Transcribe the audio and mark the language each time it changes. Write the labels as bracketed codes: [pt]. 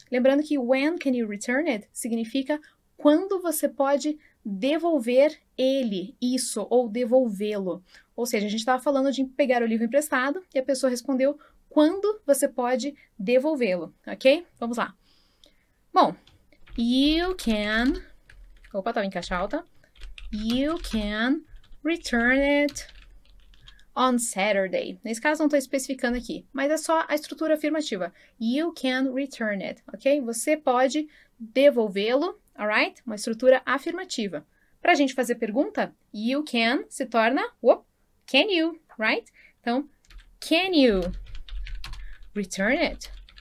[pt] Lembrando que [en] when can you return it [pt] significa quando você pode devolver ele, isso, ou devolvê-lo. Ou seja, a gente estava falando de pegar o livro emprestado e a pessoa respondeu quando você pode devolvê-lo, ok? Vamos lá. Bom, [en] you can. [pt] Opa, estava em caixa alta. [en] You can return it on Saturday. [pt] Nesse caso, não estou especificando aqui, mas é só a estrutura afirmativa. [en] You can return it, ok? [pt] Você pode devolvê-lo, [en] alright? [pt] Uma estrutura afirmativa. Para a gente fazer pergunta, [en] you can [pt] se torna, whoop, [en] can you, [pt] right? [en] Então, can you return it?